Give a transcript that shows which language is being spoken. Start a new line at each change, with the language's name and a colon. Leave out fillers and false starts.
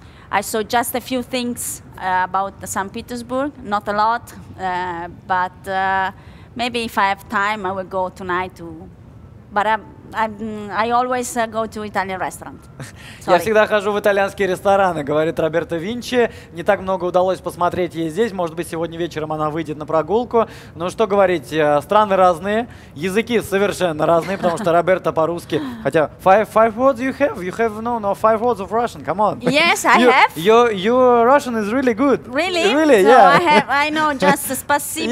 English: I saw just a few things about St. Petersburg, not a lot, but maybe if I have time, I will go tonight to. But I always go to Italian restaurant.
Russian: Я всегда хожу в итальянские рестораны, говорит Роберта Винчи. Не так много удалось посмотреть ей здесь. Может быть, сегодня вечером она выйдет на прогулку. Но что говорить, страны разные, языки совершенно разные, потому что Роберта по-русски. Хотя,
English: five words you have? You have, no, five words of Russian. Come on. Yes, I have. Your Russian is really good. Really? Really, so yeah. I know just спасибо.